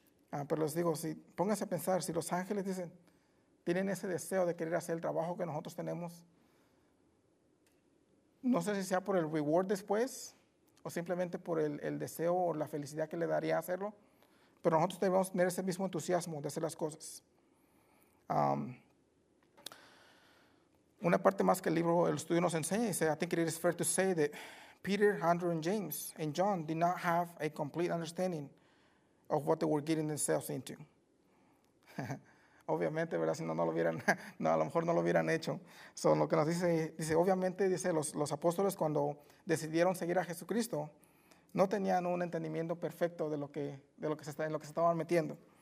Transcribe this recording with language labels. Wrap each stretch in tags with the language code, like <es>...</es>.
<es>Pero les digo, si pónganse a pensar, si los ángeles dicen, tienen ese deseo de querer hacer el trabajo que nosotros tenemos, no sé si sea por el reward después o simplemente por el deseo o la felicidad que le daría hacerlo, pero nosotros debemos tener ese mismo entusiasmo de hacer las cosas. Una parte más que el libro, el estudio nos enseña, dice,</es> <en>I think it is fair to say that Peter, Andrew, and James, and John did not have a complete understanding of what they were getting themselves into.</en> <es>Obviamente, ¿verdad? Si no, no lo hubieran, no, a lo mejor no lo hubieran hecho. So, lo que nos dice, obviamente, dice, los apóstoles cuando decidieron seguir a Jesucristo, no tenían un entendimiento perfecto de lo que se estaban metiendo.</es>